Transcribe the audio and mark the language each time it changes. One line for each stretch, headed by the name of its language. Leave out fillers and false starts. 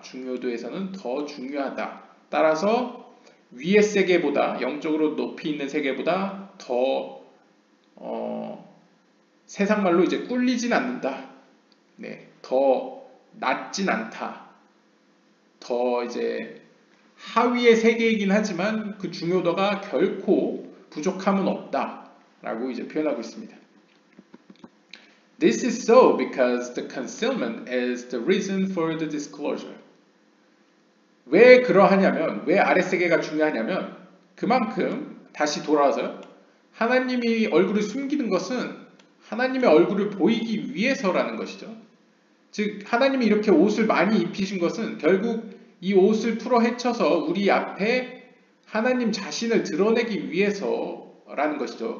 Korean: 중요도에서는 더 중요하다. 따라서 위의 세계보다 영적으로 높이 있는 세계보다 더 세상 말로 이제 꿀리진 않는다. 네, 더 낮진 않다. 더 이제 하위의 세계이긴 하지만 그 중요도가 결코 부족함은 없다 라고 이제 표현하고 있습니다.
English: This is so because the concealment is the reason for the disclosure.
Korean: 왜 그러하냐면, 왜 아랫세계가 중요하냐면 그만큼 다시 돌아와서요. 하나님이 얼굴을 숨기는 것은 하나님의 얼굴을 보이기 위해서라는 것이죠. 즉 하나님이 이렇게 옷을 많이 입히신 것은 결국 이 옷을 풀어 헤쳐서 우리 앞에 하나님 자신을 드러내기 위해서라는 것이죠.